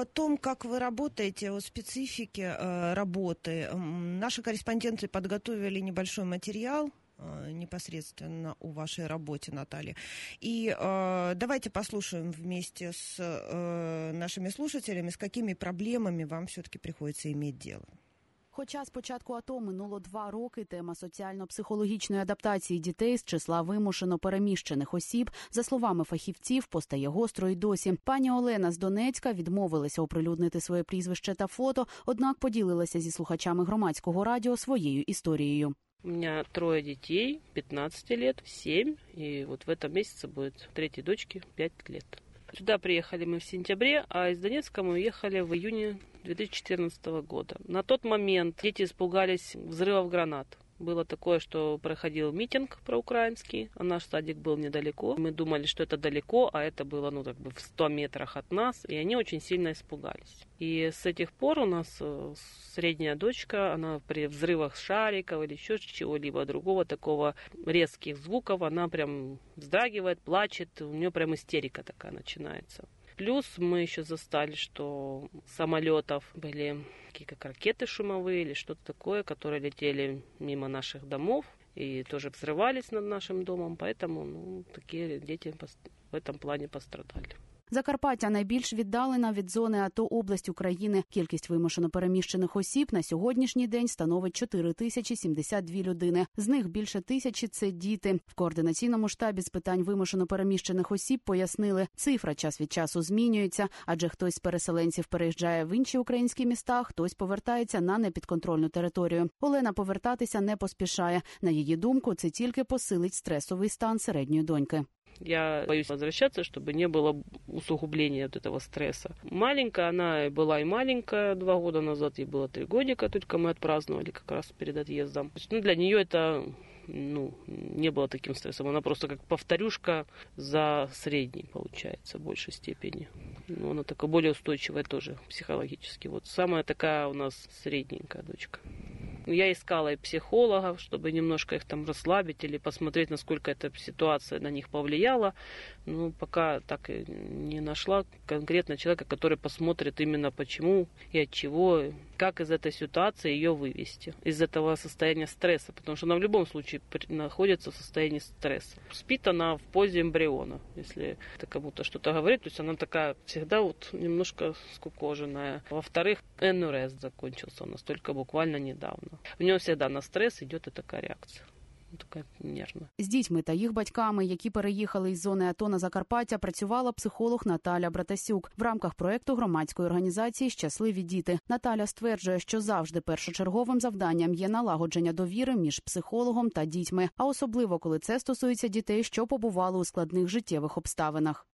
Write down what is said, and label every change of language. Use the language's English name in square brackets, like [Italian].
[Russian] О том, как вы работаете, о специфике работы. Наши корреспонденты подготовили небольшой материал непосредственно о вашей работе, Наталья. И давайте послушаем вместе с нашими слушателями, с какими проблемами вам все-таки приходится иметь дело. [Ukrainian] Хоча спочатку АТО минуло 2 роки, тема соціально-психологічної адаптації дітей з числа вимушено переміщених осіб, за словами фахівців, постає гостро і досі. Пані Олена з Донецька відмовилася оприлюднити своє прізвище та фото, однак поділилася зі слухачами громадського радіо своєю історією. [Russian] У меня 3 дітей, 15 лет, 7, [Ukrainian] і от [Russian] в этом [Ukrainian] місяці буде 3-й дочці [Russian] 5 лет. Сюда приехали мы в сентябре, а из Донецка мы уехали в июне 2014 года. На тот момент дети испугались взрывов гранат. Было такое, что проходил митинг проукраинский, а наш садик был недалеко. Мы думали, что это далеко, а это было, ну, как бы в 100 метрах от нас, и они очень сильно испугались. И с этих пор у нас средняя дочка, она при взрывах шариков или еще чего-либо другого, такого резких звуков, она прям вздрагивает, плачет, у нее прям истерика такая начинается. Плюс мы еще застали, что самолетов были какие-то ракеты шумовые или что-то такое, которые летели мимо наших домов и тоже взрывались над нашим домом, поэтому ну, такие дети в этом плане пострадали. [Ukrainian] Закарпаття найбільш віддалена від зони АТО область України. Кількість вимушено переміщених осіб на сьогоднішній день становить 4072 людини. З них більше 1000 – це діти. В координаційному штабі з питань вимушено переміщених осіб пояснили, цифра час від часу змінюється, адже хтось з переселенців переїжджає в інші українські міста, хтось повертається на непідконтрольну територію. Олена повертатися не поспішає. На її думку, це тільки посилить стресовий стан середньої доньки. [Russian] Я боюсь возвращаться, чтобы не было усугубления вот этого стресса. Маленькая она была и маленькая 2 года назад, ей было 3 годика, только мы отпраздновали как раз перед отъездом. То есть, ну, для нее это ну, не было таким стрессом. Она просто как повторюшка за средней, получается, в большей степени. Но она такая более устойчивая тоже психологически. Вот самая такая у нас средненькая дочка. Я искала и психологов, чтобы немножко их там расслабить или посмотреть, насколько эта ситуация на них повлияла. Но пока так и не нашла конкретно человека, который посмотрит именно почему и от чего, как из этой ситуации ее вывести, из этого состояния стресса. Потому что она в любом случае находится в состоянии стресса. Спит она в позе эмбриона, если это кому-то что-то говорит. То есть она такая всегда вот немножко скукоженная. Во-вторых, НРС закончился у нас только буквально недавно. [Ukrainian] В нього завжди на стрес йде така реакція, така нервна. З дітьми та їх батьками, які переїхали із зони АТО на Закарпаття, працювала психолог Наталя Братасюк в рамках проєкту громадської організації «Щасливі діти». Наталя стверджує, що завжди першочерговим завданням є налагодження довіри між психологом та дітьми, а особливо, коли це стосується дітей, що побували у складних життєвих обставинах.